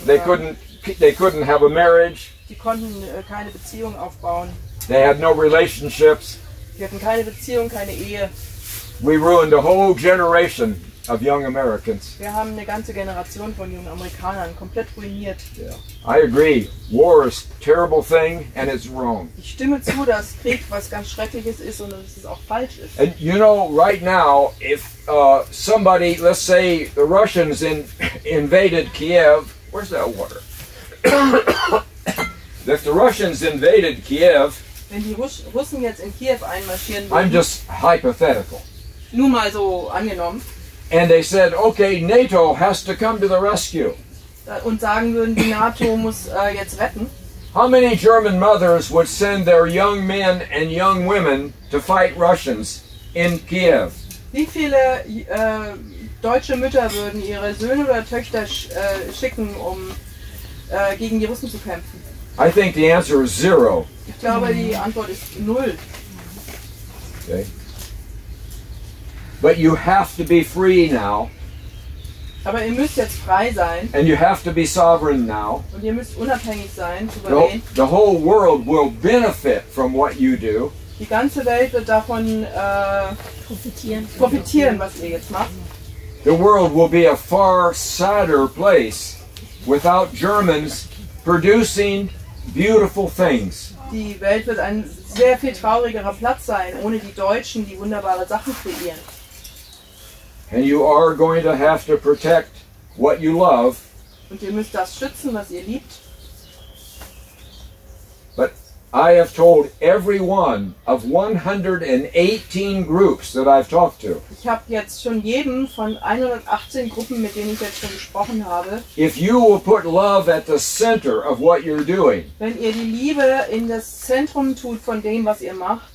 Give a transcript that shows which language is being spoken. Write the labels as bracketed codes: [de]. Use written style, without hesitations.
[en] They couldn't have a marriage. [de] Die konnten keine Beziehung aufbauen. [en] They had no relationships. [de] Die hatten keine Beziehung, keine Ehe. [en] We ruined a whole generation of young Americans. [de] Wir haben eine ganze Generation von jungen Amerikanern komplett ruiniert. [en] Yeah. I agree. War is a terrible thing and it's wrong. [de] Ich stimme zu, dass Krieg was ganz Schreckliches ist und dass es auch falsch ist. [en] And you know, right now, if somebody, let's say the Russians invaded Kiev, where's that water? If the Russians invaded Kiev, [de] wenn die Russen jetzt in Kiew einmarschieren würden, [en] I'm just hypothetical. [de] Nur mal so angenommen. [en] And they said, okay, NATO has to come to the rescue. [de] Und sagen würden, die NATO muss jetzt retten. [en] How many German mothers would send their young men and young women to fight Russians in Kiev? [de] Wie viele deutsche Mütter würden ihre Söhne oder Töchter schicken, um gegen die Russen zu kämpfen? [en] I think the answer is zero. [de] Ich glaube, die Antwort ist null. [en] Okay. But you have to be free now. [de] Aber ihr müsst jetzt frei sein. [en] And you have to be sovereign now. [de] Und ihr müsst unabhängig sein, souverän. [en] The whole world will benefit from what you do. [de] Die ganze Welt wird davon profitieren, was ihr jetzt macht. [en] The world will be a far sadder place without Germans producing beautiful things. [de] Die Welt wird ein sehr viel traurigerer Platz sein, ohne die Deutschen, die wunderbare Sachen kreieren. [en] And you are going to have to protect what you love. [de] Und ihr müsst das schützen, was ihr liebt. [en] But I have told every one of 118 groups that I've talked to. [de] Ich habe jetzt schon jedem von 118 Gruppen, mit denen ich jetzt schon gesprochen habe. [en] If you will put love at the center of what you're doing. [de] Wenn ihr die Liebe in das Zentrum tut von dem, was ihr macht.